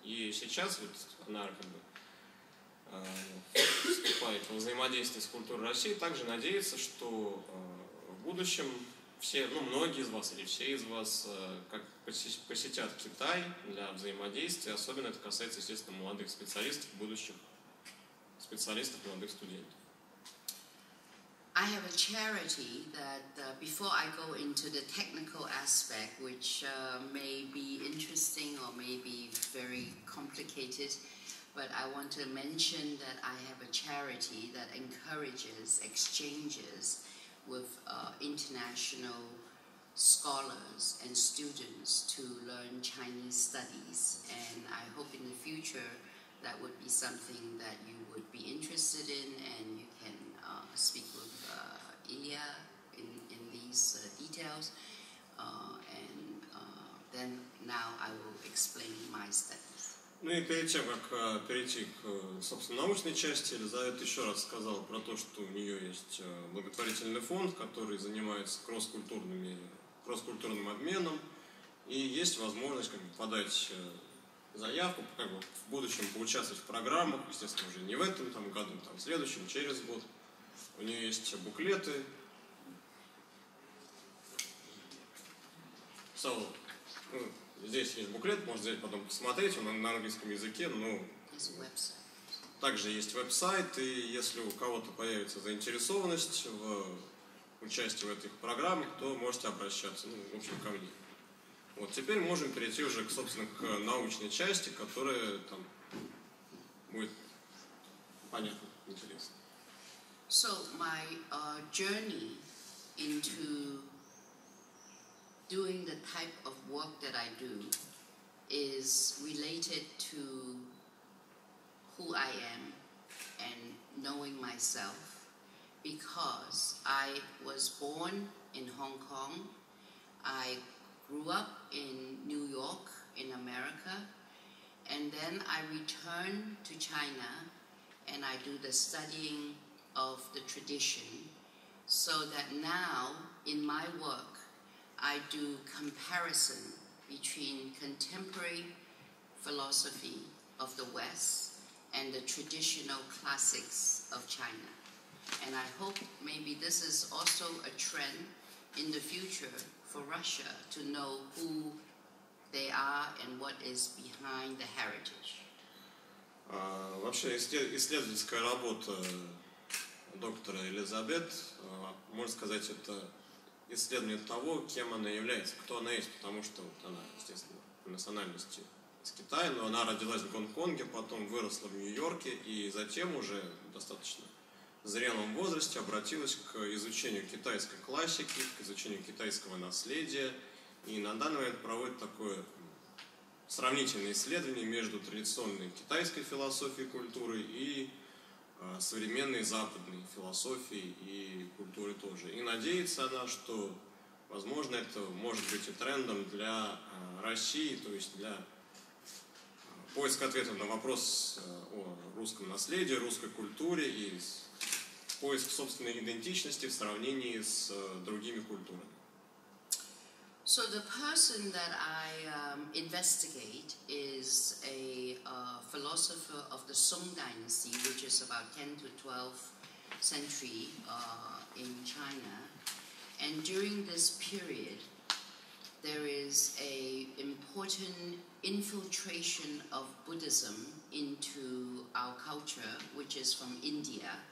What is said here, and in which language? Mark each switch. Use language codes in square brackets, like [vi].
[ru] И сейчас вот она, как бы, вступает во взаимодействие с культурой России, также надеется, что в будущем все, ну, многие из вас или все из вас как посетят Китай для взаимодействия, особенно это касается, естественно, молодых специалистов, будущих специалистов, молодых студентов. [en] I have a charity that before I go into the technical aspect, which may be interesting or may be very complicated, but I want to mention that I have a charity that encourages exchanges with international scholars and students to learn Chinese studies, and I hope in the future that would be something that you would be interested in, and you can speak with Ilya in these details, and then now I will explain my studies. [ru] Ну і перед тим, як перейти к собственно научной части, Елизавета еще раз сказала про то, что у нее есть благотворительный фонд, который занимается кросс-культурным обменом, и есть возможность как бы подать заявку, как бы в будущем поучаствовать в программах, естественно, уже не в этом там году, там, в следующем, через год. У нее есть буклеты. So, ну, здесь есть буклет, можно взять потом посмотреть, он на английском языке, но также есть веб-сайт, и если у кого-то появится заинтересованность в участие в этих программах, то можете обращаться, ну, в общем, ко мне. Вот теперь можем перейти уже, собственно, к научной части, которая там будет понятно, интересно. [en] So my journey into doing the type of work that I do is related to who I am and knowing myself. Because I was born in Hong Kong, I grew up in New York, in America, and then I return to China and I do the studying of the tradition, so that now in my work I do comparison between contemporary philosophy of the West and the traditional classics of China. And I hope maybe this is also a trend in the future for Russia to know who they are and what is behind the heritage. [ru] Вообще исследовательская работа доктора Елизабет, можно сказать, это исследование того, кем она является, кто она есть, потому что вот она, естественно, по национальности из Китая, но она родилась в Гонконге, потом выросла в Нью-Йорке и затем уже достаточно в зрелом возрасте обратилась к изучению китайской классики, к изучению китайского наследия. И на данный момент проводит такое сравнительное исследование между традиционной китайской философией и культурой и современной западной философией и культурой тоже. И надеется она, что, возможно, это может быть и трендом для России, то есть для поиска ответа на вопрос о русском наследии, русской культуре и поиск собственной идентичности в сравнении с другими культурами. [en] So the person that I investigate is a philosopher of the Song Dynasty, which is about 10th to 12th century in China. And during this period, there is a important infiltration of Buddhism into our culture, which is from India.